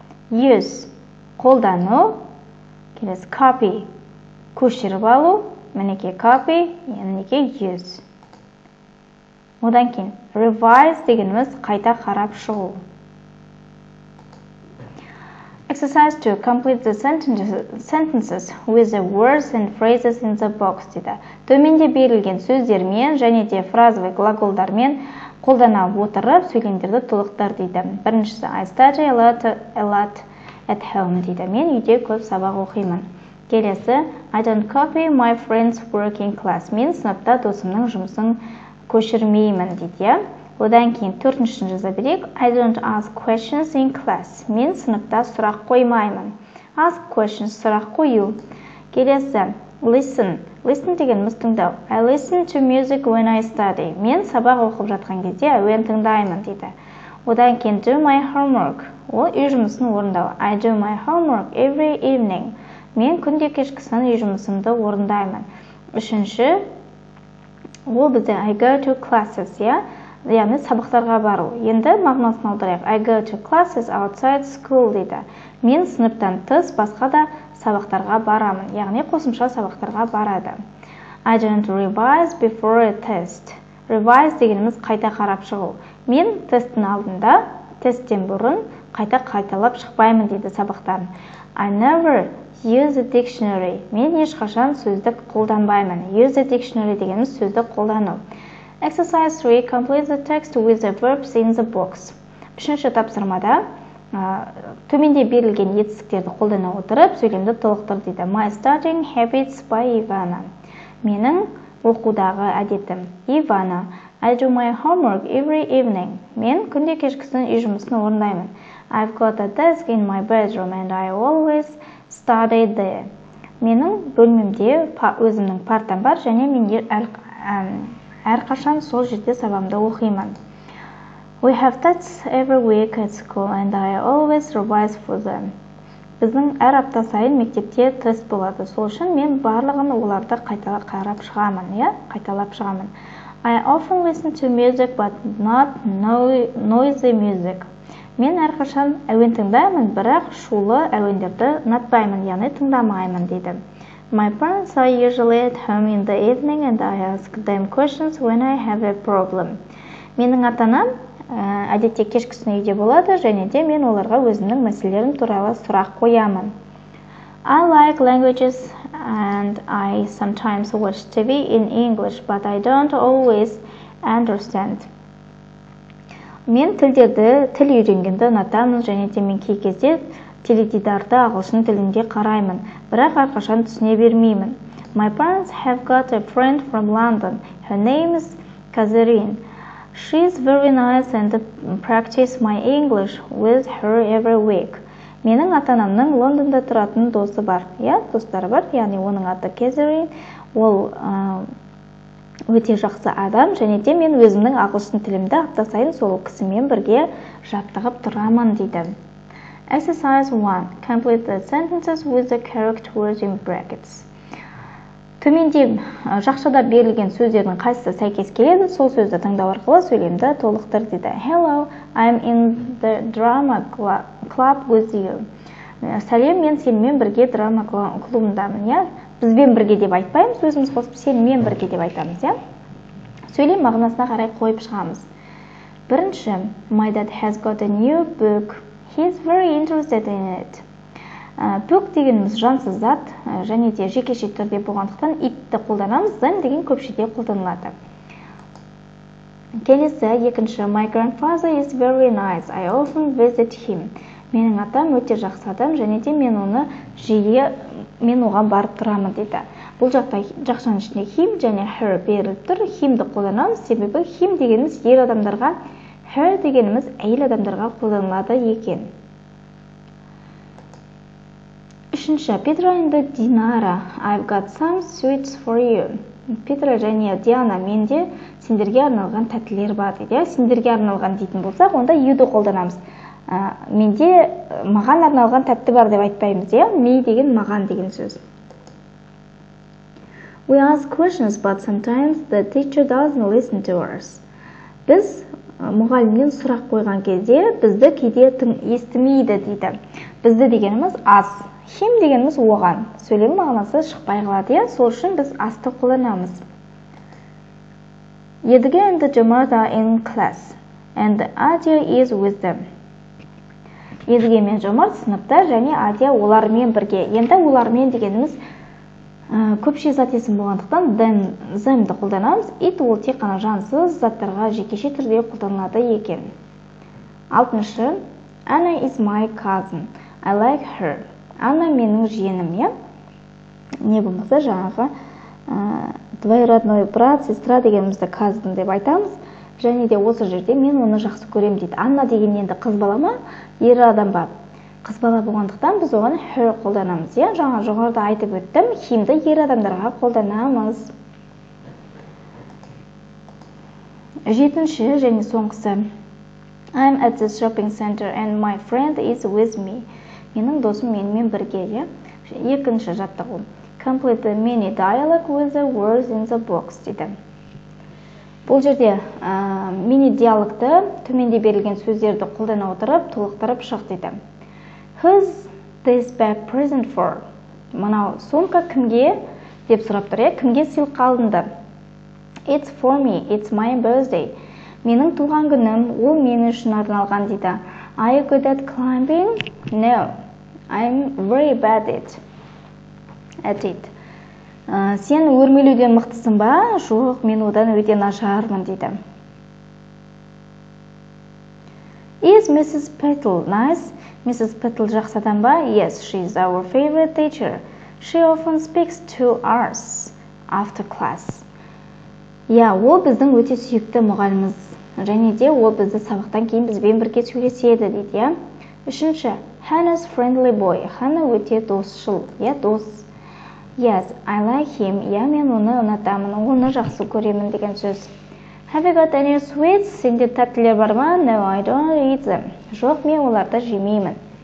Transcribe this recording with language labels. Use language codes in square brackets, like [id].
[kk] Use. Қолдану. Келесі copy. Көшіріп алу. Мінекі copy. Мінекі use. Одан кейін revise дегеніміз қайта қарап шығу. [en] Exercise 2. Complete the sentences with the words and phrases in the box. [kk] Төменде берілген сөздермен және де фразовый глаголдармен қолдана отырып сөйлемдерді толықтыр дейді. Біріншісі, [en] I study a lot at home [kk] дейді. Мен үйде көп сабақ оқимын. Келесі, [en] I don't copy my friend's work in class. [kk] Мен сыныпта досымның жұмысын көшірмеймін дейді. Одан кейін төртіншісін жаза берейік. [en] I don't ask questions in class. [kk] Мен сыныпта сұрақ қоймаймын. [en] Ask questions [kk] – сұрақ қою. Келесі, listen. Listen дегеніміз тыңдау. [en] I listen to music when I study. [kk] Мен сабақ оқып жатқан кезде әуен тыңдаймын дейді. Одан кейін [en] do my homework. [kk] Ол үй жұмысын орындау. [en] I do my homework every evening. [kk] Мен күнде кешкісін үй жұмысымды орындаймын. Үшінші, ол бізде [en] I go to classes, [kk] яғни сабақтарға бару. Енді мағынасын аударайық. [en] I go to classes outside school [kk] дейді. Мен сыныптан тыс басқа да сабақтарға барамын. Яғни қосымша сабақтарға барады. [en] I don't revise before a test. [kk] Revise дегеніміз қайта қарап шығу. Мен тесттің алдында, тесттен бұрын қайталап шықпаймын дейді сабақтан. [en] I never use a dictionary. [kk] Мен ешқашан сөздік қолданбаймын. [en] Use a dictionary [kk] дегеніміз сөздік қолдану. [en] Exercise 3. Complete the text with the verbs in the box. [kk] Үшінші тапсырмада төменде берілген етістіктерді қолдана отырып, сөйлемді толықтыр дейді. [en] My studying habits by Ivana. [kk] Менің оқудағы әдетім. Ivana. [en] I do my homework every evening. [kk] Мен күнде кешкісін үй жұмысын орындаймын. [en] I've got a desk in my bedroom and I always study there. [kk] Менің бөлмемде өзімнің партам бар және менде әрқашан сол жерде сабамды оқимын. [en] We have tests every week at school and I always revise for them. [kk] Біздің әр апта сайын мектепте тест болады. Сол үшін мен барлығын оларды қайталап шығамын. [en] I often listen to music but not noisy music. [kk] Мен әрқашан әуен тыңдаймын, бірақ шулы әуендерді ұнатпаймын, яғни тыңдамаймын дейді. [en] My parents are usually at home in the evening and I ask them questions when I have a problem. [kk] Менің атанам әдетте кешкісін үйде болады, және де мен оларға өзімнің мәселелерім туралы сұрақ қоямын. [en] I like languages and I sometimes watch TV in English, but I don't always understand. [kk] Мен тілдерді тіл үйренгенді ұнатамын, және де мен кей кезде теледидарды ағылшын тілінде қараймын, бірақ әрқашан түсіне бермеймін. [en] My parents have got a friend from London. Her name is Catherine. She's very nice and practice my English with her every week. [kk] Менің атанамның Лондонда тұратын досы бар. Достары бар, яғни оның аты Catherine. Ол өте жақсы адам, және де мен өзімнің ағылшын тілімді апта сайын сол кісімен бірге жаттығып тұрамын дейді. [en] Exercise 1. Complete the sentences with the correct words in brackets. [kk] Төменде жақшада берілген сөздердің қайсысы сәйкес келеді, сол сөзді тыңдау арқылы сөйлемді толықтыр дейді. [en] Hello, I'm in the drama club with you. [kk] Сәлем, мен сенімен бірге драма клубындамын, иә? Бізбен бірге деп айтпаймыз, өзіміз қосып сенімен бірге деп айтамыз, иә? Сөйлем мағынасына қарай қойып шығамыз. Бірінші, [en] my dad has got a new book. He's very interested in it. [kk] Бүк дегеніміз жансыз зат, және де жекеше түрде болғандықтан итті қолданамыз, зен деген көпшеде қолданылады. Келесі, екінші, [en] my grandfather is very nice. I often visit him. [kk] Менің атам өте жақсы адам, және де мен оны жиі, мен оған барып тұрамын дейді. Бұл жақта жақшаның ішінде him және her беріліп тұр. Him-ді қолданамыз, себебі him дегеніміз ер адамдарға, her дегеніміз әйел адамдарға қолданылады екен. Үшінші, [en] Петра and Динара, I've got some sweets for you. [kk] Петра және Диана, менде сендерге арналған тәттілер бар дейді. Сендерге арналған дейтін болсақ, онда you-ді қолданамыз. Менде маған арналған тәтті бар деп айтпаймыз, иә? Me деген маған деген сөз. [en] We ask questions, but sometimes the teacher doesn't listen to us. [kk] Біз мұғалімнен сұрақ қойған кезде, бізді кейде естімейді дейді. Бізді дегеніміз us. Him дегеніміз оған. Сөйлем мағынасы шықпай қалады, иә? Сол үшін біз us-ты қолданамыз. [en] Едіге and Джамада in class. And Адия is with them. [kk] Едіге мен Жомарт сыныпта және Адия олармен бірге. Енді олармен дегеніміз көпше зат есім болғандықтан then, them-ді қолданамыз. It ол тек қана жансыз заттарға жекеше түрде қолданылады екен. Алтыншы, [en] Anna is my cousin. I like her. [kk] Anna менің жиенім, иә? Не болмаса жаңағы [ru] двойродной брат, сестра [kk] дегенімізді cousin деп айтамыз. Және де осы жерде мен оны жақсы көрем дейді. Анна деген енді қыз бала ма? Ер адам ба? Қыз бала болғандықтан біз оған her қолданамыз. Иә, жаңа жоғарыда айтып өттім, him-ді ер адамдарға қолданамыз. Жетінші және соңғысы. [en] I'm at the shopping center and my friend is with me. [kk] Менің досым менімен бірге, иә? Екінші жаттығу. [en] Complete the mini dialogue with the words in the box [kk] дейді. Бұл жерде мини диалогты төменде берілген сөздерді қолдана отырып, толықтырып шық дейді. [en] Who's this bag present for? [kk] Мынау сумка кімге деп сұрап тұр, кімге сыйлық алынды? [en] It's for me, it's my birthday. [kk] Менің туған күнім, ол мен үшін арналған дейді. [en] Are you good at climbing? No, I'm very bad at it. [kk] Сен өрмелеуден мықтысың ба? Жоқ, мен одан өте нашармын дейді. [en] Is Mrs. Petal nice? Mrs. [kk] Petal жақсы адам ба? [en] Yes, she is our favorite teacher. She often speaks to us after class. [kk] Ол біздің өте сүйікті мұғаліміз. Және де ол бізді сабақтан кейін бізбен бірге сөйлеседі дейді. Үшінші, [en] Hannah's friendly boy. [kk] Hannah өте досшыл. Дос. [en] Yes, I like him. [kk] Мен оны ұнатамын, оны жақсы көремін деген сөз. [en] Have you got any sweets? [kk] Сенде тәттілер бар ма? [en] No, I don't eat them. [kk] Жоқ, мен оларды жемеймін.